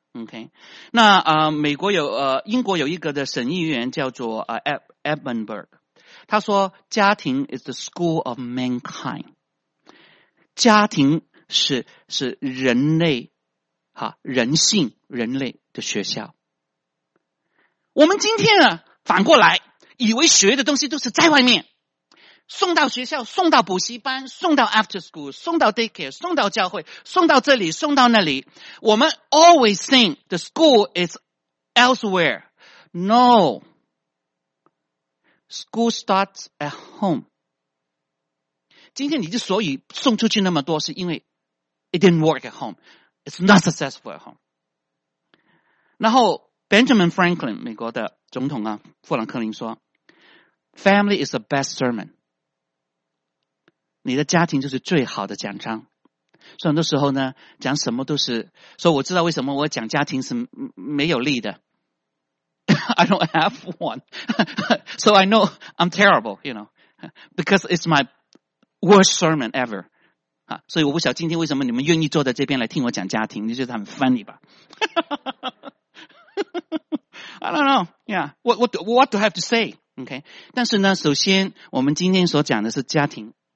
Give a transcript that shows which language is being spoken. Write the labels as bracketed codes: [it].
[zh] OK, 那美国有英国有一个的审议员叫做Edmundberg, 他说家庭 [en] is the school of mankind, [zh] 家庭是人类人性人类的学校。我们今天反过来以为学的东西都是在外面，送到学校，送到补习班，送到 after school, 送到 daycare, 送到教会，送到这里，送到那里。我们 [en] always think the school is elsewhere. No. School starts at home. [zh] 今天你之所以送出去那么多，是因为 [en] it didn't work at home. It's not successful at home. [zh] 然后 Benjamin Franklin, 美国的总统啊，富兰克林说 [en] Family is the best sermon. [zh] 你的家庭就是最好的讲章，所以很多时候呢讲什么都是，所以我知道为什么我讲家庭是没有力的。 [en] I don't have one. So I know I'm terrible, you know, because it's my worst sermon ever. [zh] 所以我不晓得今天为什么你们愿意坐在这边来听我讲家庭，你觉得很 funny 吧。 [en] I don't know. Yeah. What do I have to say? Okay. [zh] 但是呢，首先我们今天所讲的是家庭。